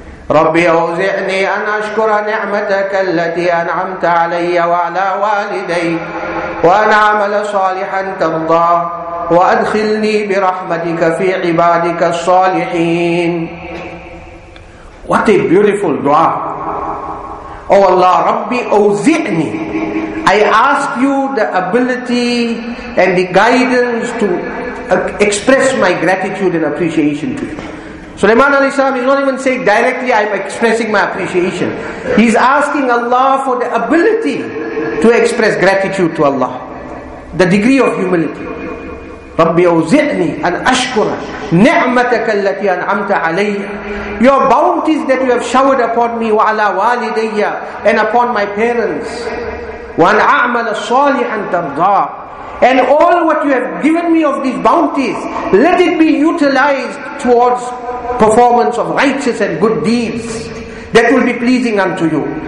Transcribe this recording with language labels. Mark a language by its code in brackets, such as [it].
[ar] ربي أوزعني أن أشكر نعمتك التي أنعمت علي وعلى والدي وأن أعمل صالحا ترضاه وأدخلني برحمتك في عبادك الصالحين. [en] What a beautiful dua. Oh Allah, [ar] ربي أوزعني. [en] I ask you the ability and the guidance to express my gratitude and appreciation to you. Sulaiman alayhi salam is not even saying directly, I'm expressing my appreciation. He's asking Allah for the ability to express gratitude to Allah. The degree of humility. [ar] رَبِّ أَوْزِعْنِي أَنْ أَشْكُرَ نِعْمَتَكَ الَّتِي أَنْعَمْتَ عَلَيَّ. [en] Your bounties that you have showered upon me, [ar] وَعَلَى وَالِدَيَّ, [en] and upon my parents. [ar] وَأَنْ أَعْمَلَ صَالِحًا تَرْضَاهُ. [en] And all what you have given me of these bounties, let it be utilized towards performance of righteous and good deeds that will be pleasing unto you.